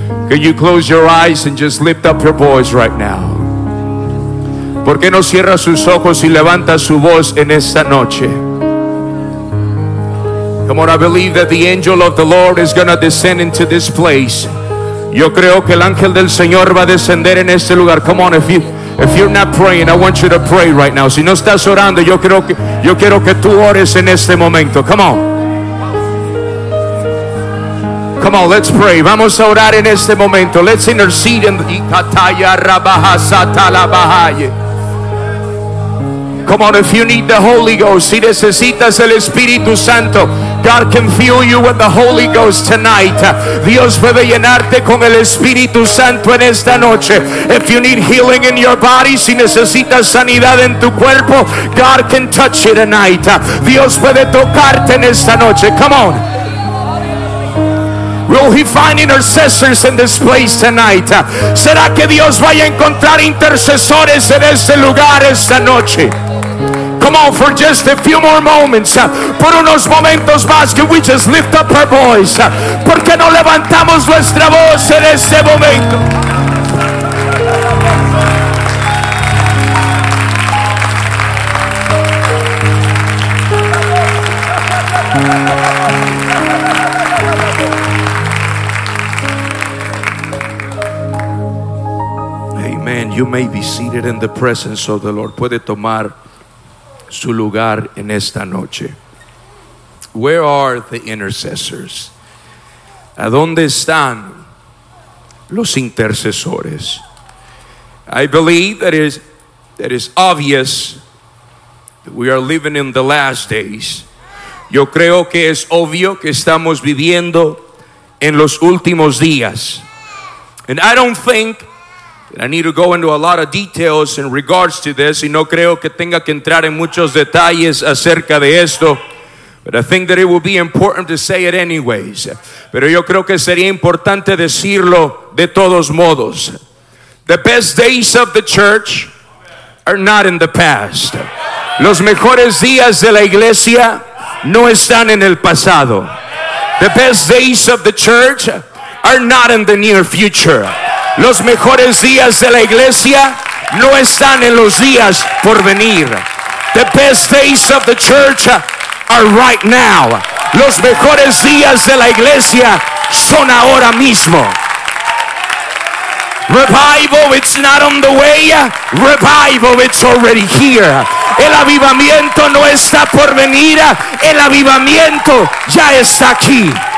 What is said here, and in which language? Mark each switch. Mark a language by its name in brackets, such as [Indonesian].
[English] Can you close your eyes and just lift up your voice right now? [Spanish] ¿Por qué no cierra sus ojos y levanta su voz en esta noche? [English] Come on, I believe that the angel of the Lord is going to descend into this place. [Spanish] Yo creo que el ángel del Señor va a descender en este lugar. [English] Come on, if you're not praying, I want you to pray right now. [Spanish] Si no estás orando, yo quiero que tú ores en este momento. [English] Come on. Come on, let's pray. [Spanish] Vamos a orar en este momento. [English] Let's intercede in the Kataya Rabaha Satala Bahaye. Come on, if you need the Holy Ghost, [Spanish] si necesitas el Espíritu Santo, [English] God can fill you with the Holy Ghost tonight. [Spanish] Dios puede llenarte con el Espíritu Santo en esta noche. [English] If you need healing in your body, [Spanish] si necesitas sanidad en tu cuerpo, [English] God can touch you tonight. [Spanish] Dios puede tocarte en esta noche. [English] Come on. Will he find intercessors in this place tonight? [Spanish] ¿Será que Dios vaya a encontrar intercesores en este lugar esta noche? [English] Come on, for just a few more moments. [Spanish] Por unos momentos más, [English] can we just lift up our voice? [Spanish] ¿Por qué no levantamos nuestra voz en este momento? [English] Amen. You may be seated in the presence of the Lord. [Spanish] Puede tomar su lugar en esta noche. [English] Where are the intercessors? [Spanish] ¿A dónde están los intercesores? [English] I believe that is obvious that we are living in the last days. [Spanish] Yo creo que es obvio que estamos viviendo en los últimos días. [English] And I don't think I need to go into a lot of details in regards to this, [Spanish] y no creo que tenga que entrar en muchos detalles acerca de esto, [English] but I think that it would be important to say it anyways. [Spanish] Pero yo creo que sería importante decirlo de todos modos. [English] The best days of the church are not in the past. [Spanish] Los mejores días de la iglesia no están en el pasado. [English] The best days of the church are not in the near future. [Spanish] Los mejores días de la iglesia no están en los días por venir. [English] The best days of the church are right now. [Spanish] Los mejores días de la iglesia son ahora mismo. [English] Revival, it's not on the way. Revival, it's already here. [Spanish] El avivamiento no está por venir. El avivamiento ya está aquí.